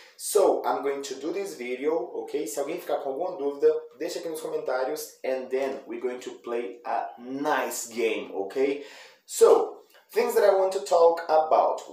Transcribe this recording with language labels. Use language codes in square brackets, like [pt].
[en] So I'm going to do this video, ok? [pt] Se alguém ficar com alguma dúvida, deixa aqui nos comentários. [en] And then we're going to play a nice game, ok? So things that I want to talk about.